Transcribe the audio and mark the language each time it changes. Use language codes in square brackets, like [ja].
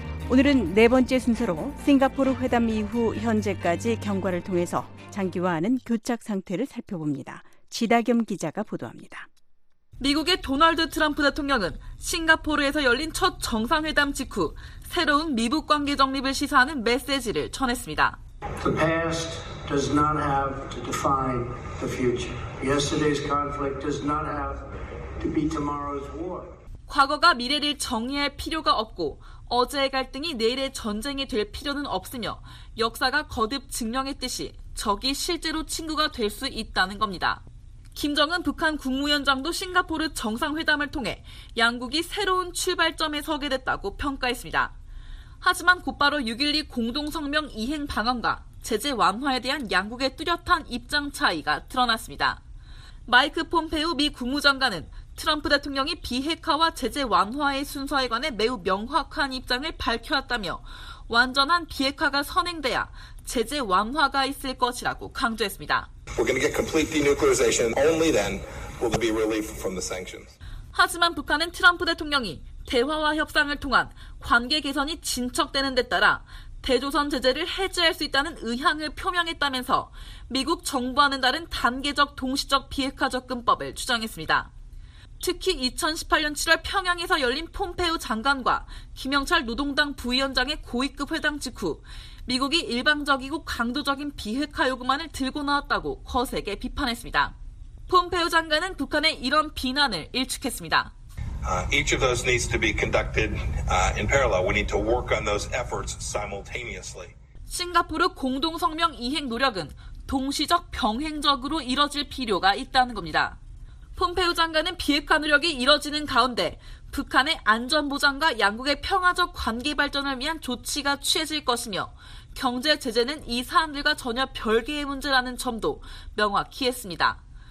[ko] 오늘은 네 번째 순서로 싱가포르 회담 이후 현재까지 경과를 통해서 장기화하는 교착 상태를 살펴봅니다. 지다겸 기자가 보도합니다. 미국의 도널드 트럼프 대통령은 싱가포르에서 열린 첫 정상회담 직후 새로운 미북 관계 정립을 시사하는 메시지를 전했습니다. [en] The past does not have to define the future. Yesterday's conflict does not have to be tomorrow's war. [ko] 과거가 미래를 정의할 필요가 없고 어제의 갈등이 내일의 전쟁이 될 필요는 없으며 역사가 거듭 증명했듯이 적이 실제로 친구가 될 수 있다는 겁니다. 김정은 북한 국무위원장도 싱가포르 정상회담을 통해 양국이 새로운 출발점에 서게 됐다고 평가했습니다. 하지만 곧바로 6.12 공동성명 이행 방언과 제재 완화에 대한 양국의 뚜렷한 입장 차이가 드러났습니다. 마이크 폼페이오 미 국무장관은 트럼프 대통령이 비핵화와 제재 완화의 순서에 관해 매우 명확한 입장을 밝혀왔다며 완전한 비핵화가 선행돼야 제재 완화가 있을 것이라고 강조했습니다. [en] We're going to get complete denuclearization. Only then will there be relief from the sanctions. [ko] 하지만 북한은 트럼프 대통령이 대화와 협상을 통한 관계 개선이 진척되는 데 따라 대조선 제재를 해제할 수 있다는 의향을 표명했다면서 미국 정부와는 다른 단계적 동시적 비핵화 접근법을 주장했습니다. 특히 2018년 7월 평양에서 열린 폼페이오 장관과 김영철 노동당 부위원장의 고위급 회담 직후 미국이 일방적이고 강도적인 비핵화 요구만을 들고 나왔다고 거세게 비판했습니다. 폼페이오 장관은 북한의 이런 비난을 일축했습니다. [en] Each of those needs to be conducted in parallel. We need to work on those efforts simultaneously. [ko] 싱가포르 공동성명 이행 노력은 동시적 병행적으로 이뤄질 필요가 있다는 겁니다. 폼페이오 장관은 비핵화 노력이 이뤄지는 가운데 북한의 안전 보장과 양국의 평화적 관계 발전을 위한 조치가 취해질 것이며 경제 제재는 이 사안들과 전혀 별개의 문제라는 점도 명확히 했습니다.